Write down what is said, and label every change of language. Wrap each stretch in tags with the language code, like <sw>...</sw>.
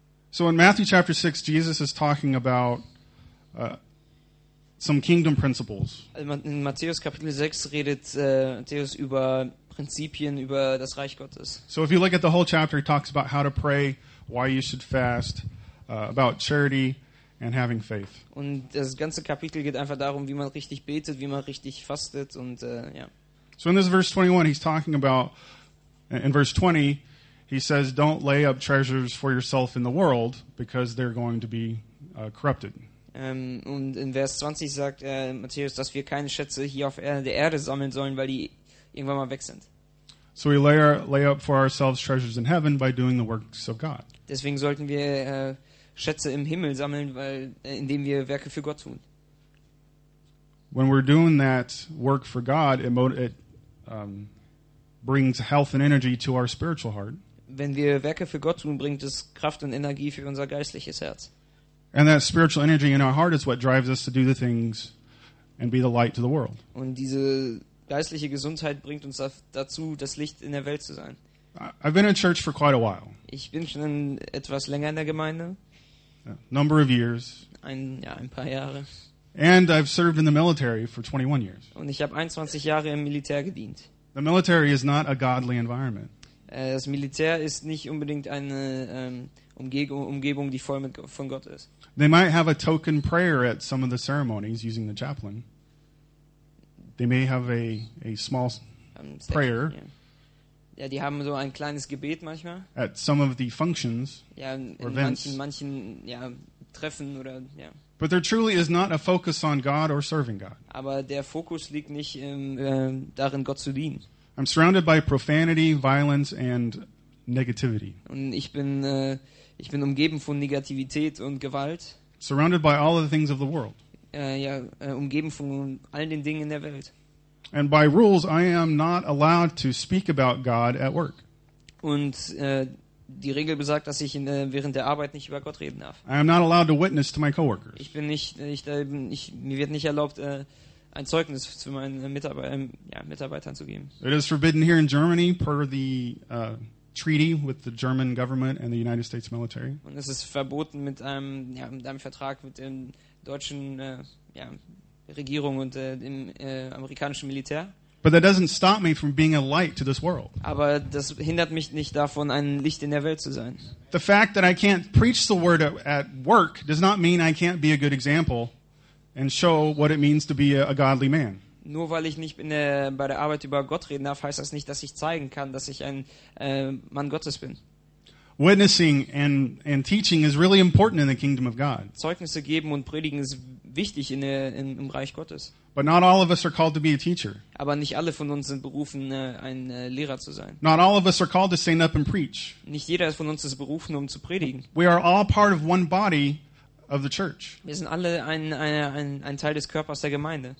<en>So in Matthew chapter 6, Jesus is talking about some kingdom principles.</en> <de>In Matthäus Kapitel 6 redet Matthäus über Prinzipien, über das Reich Gottes.</de> <en>So if you look at the whole chapter, he talks about how to pray, why you should fast, about charity and having faith.</en> <de>Und das ganze Kapitel geht einfach darum, wie man richtig betet, wie man richtig fastet und ja.</de> <en>So in this verse 21, he's talking about, in verse 20, he says, don't lay up treasures for yourself in the world, because they're going to be corrupted.</en> <de>Und in Vers 20 sagt Matthäus, dass wir keine Schätze hier auf der Erde sammeln sollen, weil die irgendwann mal weg sind.</de> <en>So we lay up for ourselves treasures in heaven by doing the works of God.</en> <de>Deswegen sollten wir Schätze im Himmel sammeln, weil indem wir Werke für Gott tun.</de> <en>When we're doing that work for God, brings health and energy to our spiritual heart.</en> <de>Wenn wir Werke für Gott tun, bringt es Kraft und Energie für unser geistliches Herz.</de> <en>And that spiritual energy in our heart is what drives us to do the things and be the light to the world.</en> <de>Und diese geistliche Gesundheit bringt uns dazu, das Licht in der Welt zu sein.</de> <en>I've been in church for quite a while.</en> <de>Ich bin schon etwas länger in der Gemeinde.</de> <en>A number of years.</en> <de>Ein paar Jahre.</de> <en>And I've served in the military for 21 years.</en> <de>Und ich habe 21 Jahre im Militär gedient.</de> <en>The military is not a godly environment.</en> <de>Das Militär ist nicht unbedingt eine Umgebung, die voll von Gott ist.</de> <en>They might have a token prayer at some of the ceremonies using the chaplain. They may have a small prayer.</en> <de>Ja, die haben so ein kleines Gebet manchmal.</de> <en>At some of the functions.</en> <de>Ja,</de> <en>or events.</en> <de>Manchen ja, Treffen oder ja.</de> <en>But there truly is not a focus on God or serving God.</en> <de>Aber der Fokus liegt nicht darin, Gott zu dienen.</de> <en>I'm surrounded by profanity, violence and negativity.</en> <de>Und ich bin umgeben von Negativität und Gewalt.</de> <en>Surrounded by all of the things of the world.</en> <de>Umgeben von all den Dingen in der Welt.</de> <en>And by rules I am not allowed to speak about God at work.</en> <de>Und die Regel besagt, dass ich während der Arbeit nicht über Gott reden darf.</de> <en>I am not allowed to witness to my coworkers.</en> <de>Ich bin nicht mir wird nicht erlaubt ein Zeugnis zu meinen Mitarbeitern zu geben.</de> <en>It is forbidden here in Germany per the treaty with the German government and the United States military.</en> <de>Und es ist verboten mit einem mit einem Vertrag mit dem deutschen Regierung und dem amerikanischen Militär.</de> <en>But that doesn't stop me from being a light to this world.</en> <de>Aber das hindert mich nicht davon, ein Licht in der Welt zu sein.</de> <en>The fact that I can't preach the word at work does not mean I can't be a good example and show what it means to be a godly man.</en> <de>Nur weil ich nicht bei der Arbeit über Gott reden darf, heißt das nicht, dass ich zeigen kann, dass ich ein Mann Gottes bin.</de> <en>Witnessing and teaching is really important in the kingdom of God.</en> <de>Zeugnisse geben und predigen ist wichtig im Reich Gottes.</de> <en>But not all of us are called to be a teacher.</en> <de>Aber nicht alle von uns sind berufen, ein Lehrer zu sein.</de> <en>Not all of us are called to stand up and preach.</en> <de>Nicht jeder von uns ist berufen, zu predigen.</de> <en>We are all part of one body of the church.</en> <de>Wir sind alle ein Teil des Körpers der Gemeinde.</de>